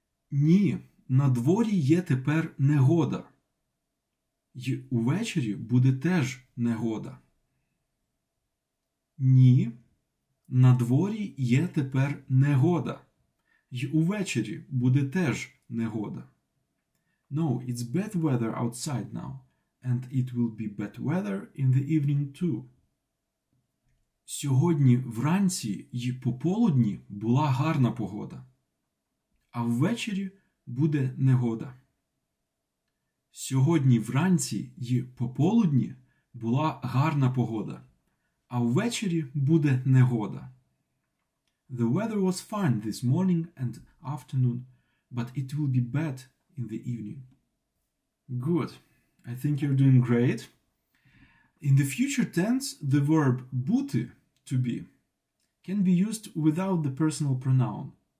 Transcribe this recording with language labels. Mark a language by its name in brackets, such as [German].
[Ukrainian] Ні, на дворі є тепер негода. І увечері буде теж негода. Ні, на дворі є тепер негода. І увечері буде теж негода. [English] No, it's bad weather outside now, and it will be bad weather in the evening too. [Ukrainian] Сьогодні вранці й пополудні була гарна погода, а ввечері буде негода. Сьогодні вранці й пополудні була гарна погода, а ввечері буде негода. [English] The weather was fine this morning and afternoon, but it will be bad in the evening. Good. I think you're doing great. In the future tense, the verb бути, to be, can be used without the personal pronoun.